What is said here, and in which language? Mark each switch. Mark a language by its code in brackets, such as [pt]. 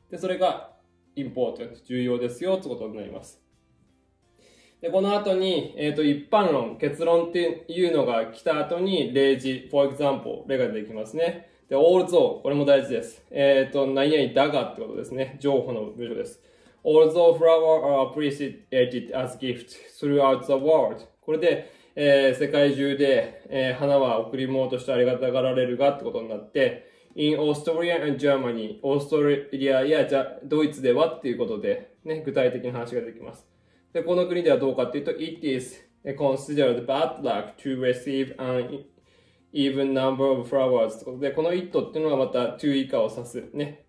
[ja] で、それが important、 重要ですよってことになります。で、この後に、一般論、結論っていうのが来た後に、例示、 [en] for example、 [ja] 例が出てきますね。で、although、これも大事です。何々だがってことですね。情報の文章です。 [en] although flowers are appreciated as gifts throughout the world。 [ja] これで、世界中で、花は贈り物としてありがたがられるがってことになって、 [en] in Austria and Germany、 [ja] オーストラリアやドイツではっていうことで、ね、具体的な話ができます。で、この国ではどうかっていうと、 [en] It is considered bad luck to receive an even number of flowers [ja] ってことで、この it っていうのはまた to 以下を指すね。